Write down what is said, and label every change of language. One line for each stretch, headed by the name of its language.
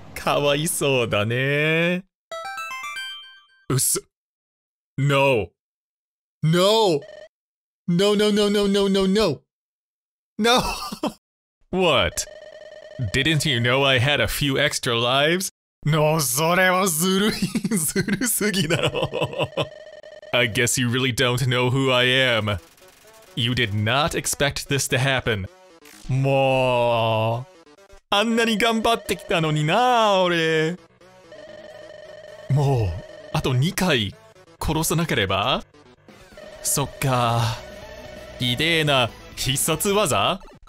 Japanese: かわいそうだね。
English: うす。No! No! No, no, no, no, no, no, no! No! What? Didn't you know I had a few extra lives? No,
Japanese: それはずるい、ずるすぎだろ。
English: I guess you really don't know who I am. You did not expect this to happen.
Japanese: もう、あんなに頑張ってきたのにな、俺。もう、あと2回殺さなければ。そっか。ひでえな必殺技？